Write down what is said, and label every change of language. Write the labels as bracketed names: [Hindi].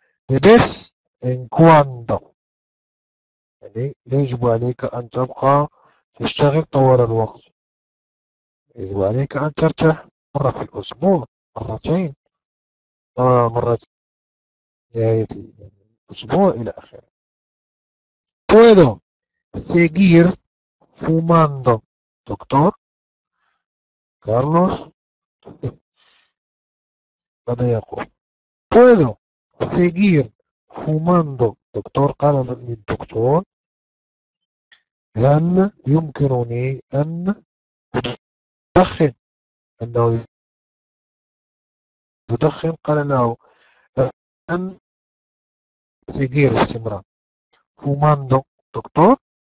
[Arabic] بس إن كواندو يعني يجب عليك أن تبقى تشتغل طوال الوقت، يجب عليك أن ترتاح مرة في الأسبوع، مرتين، مرتين نهاية الأسبوع إلى آخره. [Spanish] puedo seguir fumando دكتور كارلوس [Arabic] ماذا يقول؟ [Spanish] puedo seguir fumando دكتور. [Arabic] قال للدكتور هل يمكنني أن أدخن؟ أنه يدخن. قال له أن seguir استمرار fumando دكتور.